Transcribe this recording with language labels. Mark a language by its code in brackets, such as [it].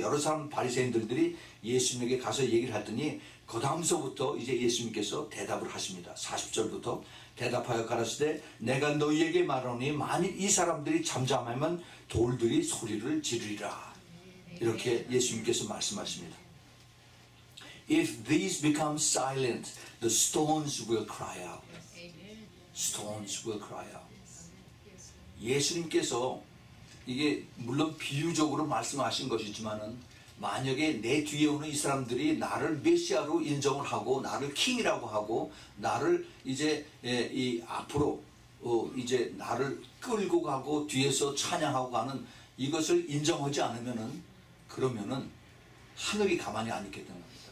[ko] 여러 사람 바리새인들이 예수님에게 가서 얘기를 했더니 그 다음서부터 이제 예수님께서 대답을 하십니다. 40절부터 대답하여 가라시되 내가 너희에게 말하노니 만일 이 사람들이 잠잠하면 돌들이 소리를 지르리라. 이렇게 예수님께서 말씀하십니다. [en] If these become silent, the stones will cry out. Stones will cry out. [ko] 예수님께서 이게 물론 비유적으로 말씀하신 것이지만은 만약에 내 뒤에 오는 이 사람들이 나를 메시아로 인정을 하고 나를 킹이라고 하고 나를 이제 이 앞으로 이제 나를 끌고 가고 뒤에서 찬양하고 가는 이것을 인정하지 않으면은 그러면은 하늘이 가만히 안 있게 되는 겁니다.